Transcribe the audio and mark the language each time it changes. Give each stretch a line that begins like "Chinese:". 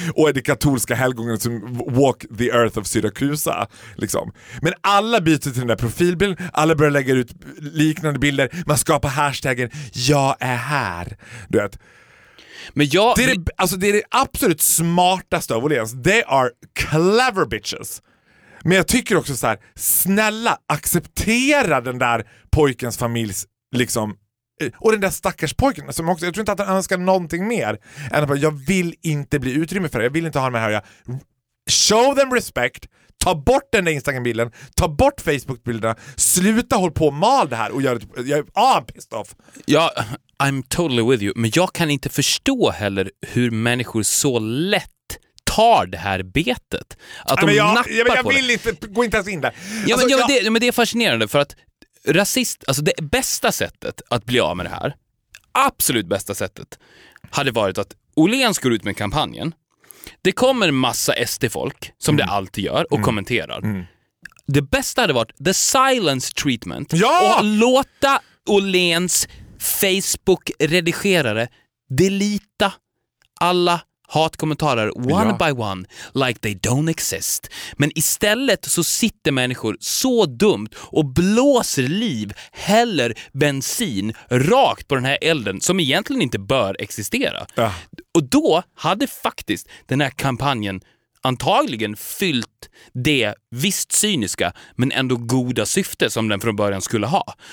Swedish: Och är det katolska helgången som
English: walk the earth of Syracusa.
Swedish: Liksom. Men alla byter till den där profilbilden. Alla börjar lägga ut liknande bilder. Man skapar hashtaggen jag är här. Du vet. Men jag, alltså det är det absolut smartaste av Åhléns.
English: They are clever bitches.
Swedish: Men jag tycker också så här, snälla, acceptera den där pojkens familjs, liksom, och den där stackars pojken som också, jag tror inte att han önskar någonting mer än att jag vill inte bli utrymme för det. Jag vill inte ha med här. Jag,
English: show them respect,
Swedish: ta bort den där Instagram-bilden, ta bort Facebook-bilderna, sluta håll på och mal det här och gör det, jag är pissed off. Ja,
English: I'm totally with you,
Swedish: men jag kan inte förstå heller hur människor så lätt tar det här betet. Att de, jag, nappar, jag, på jag det. Vill inte, gå inte ens in där. Ja, men, alltså, ja, jag... det, men det är fascinerande för att rasist, alltså det bästa sättet att bli av med det här, absolut bästa sättet, hade varit att Åhléns går ut med kampanjen. Det kommer massa SD-folk som det alltid gör och kommenterar. Det bästa hade varit
English: the silence treatment.
Swedish: Ja! Och låta Åhléns Facebook-redigerare delita alla
English: hatkommentarer one by one, like they don't exist.
Swedish: Men istället så sitter människor så dumt och blåser liv, häller bensin rakt på den här elden som egentligen inte bör existera. Och då hade faktiskt den här kampanjen antagligen fyllt det visst cyniska men ändå goda syfte som den från början skulle ha.